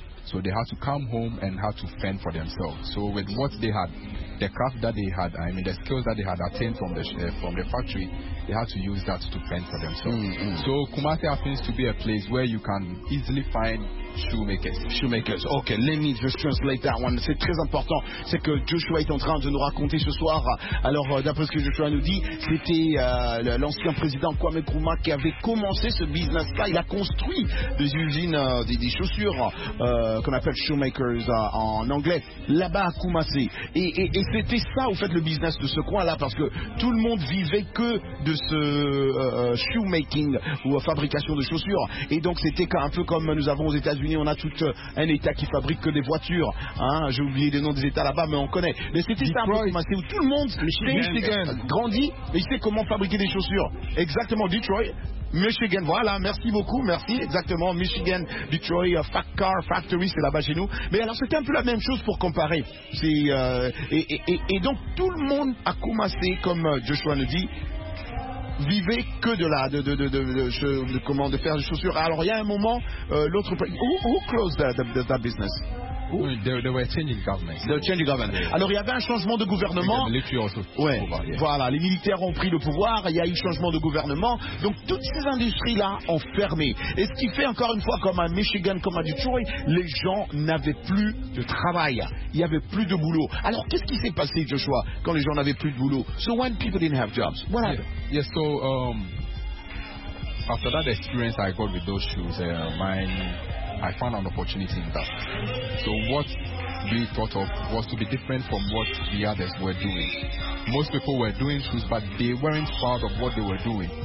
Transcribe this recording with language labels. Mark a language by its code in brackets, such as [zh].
[en] So they had to come home and had to fend for themselves. So with what they had, the craft that they had, the skills that they had attained from the factory, they had to use that to fend for themselves. Mm-hmm. So Kumasi happens to be a place where you can easily find shoemakers. Ok, let me just translate that one. [fr] C'est très important, c'est que Joshua est en train de nous raconter ce soir. Alors, d'après ce que Joshua nous dit, c'était l'ancien président Kwame Nkrumah qui avait commencé ce business-là. Il a construit des usines, des chaussures, qu'on appelle shoemakers en anglais, là-bas à Kumasi. Et c'était ça, au fait, le business de ce coin-là, parce que tout le monde vivait que de ce shoemaking ou fabrication de chaussures. Et donc, c'était un peu comme nous avons aux États-Unis États-Unis, on a tout un État qui fabrique que des voitures. Hein, j'ai oublié les noms des États là-bas, mais on connaît. Mais c'est ça, c'est où tout le monde grandit et sait comment fabriquer des chaussures. Exactement, Detroit. Michigan, voilà, merci beaucoup, merci, exactement, Michigan, Detroit, Fat Car Factory, c'est là-bas chez nous. Mais alors, c'était un peu la même chose pour comparer. C'est, et donc, tout le monde a commencé, comme Joshua le dit, vivait que de la, comment, de faire des chaussures. Alors, il y a un moment, l'autre, [en] who closed that business? They were changing government. [fr] Alors, il y avait un changement de gouvernement. Voilà, les militaires ont pris le pouvoir. Il y a eu changement de gouvernement. Donc, toutes ces industries-là ont fermé. Et ce qui fait, encore une fois, comme à Michigan, comme à Detroit, les gens n'avaient plus de travail. Il n'y avait plus de boulot. Alors, qu'est-ce qui s'est passé, Joshua, quand les gens n'avaient plus de boulot? [en] So, when people didn't have jobs, what happened? Yes, so, after that experience I got with those shoes, I found an opportunity in that. So what we thought of was to be different from what the others were doing. Most people were doing shoes, but they weren't proud of what they were doing.